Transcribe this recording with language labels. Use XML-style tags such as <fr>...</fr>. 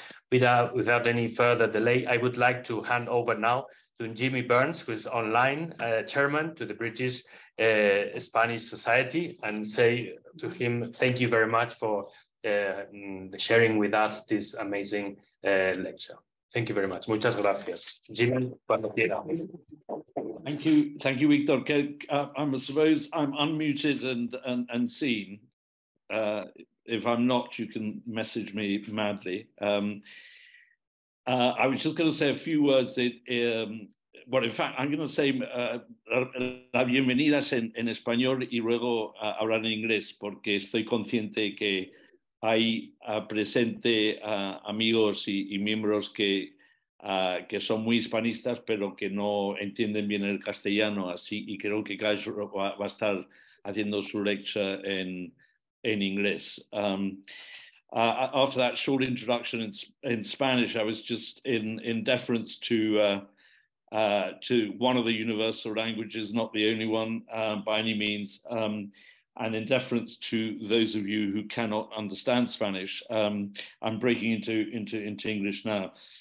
<en>Without any further delay, I would like to hand over now to Jimmy Burns, who is online chairman to the British Spanish Society, and say to him, thank you very much for sharing with us this amazing lecture. Thank you very much.</en> <es>Muchas gracias. Jimmy, cuando quiera.</es> <en>Thank you, Victor. I'm unmuted and seen. If I'm not, you can message me madly. I was just going to say a few words. I'm going to say</en> <es>la bienvenida en español y luego hablar en inglés, porque estoy consciente que hay presente amigos y miembros que son muy hispanistas, pero que no entienden bien el castellano, así, y creo que Gijs va a estar haciendo su lecture en inglés.</es> <en>After that short introduction in Spanish, I was just in deference to one of the universal languages, not the only one by any means, and in deference to those of you who cannot understand Spanish, I'm breaking into English now.</en>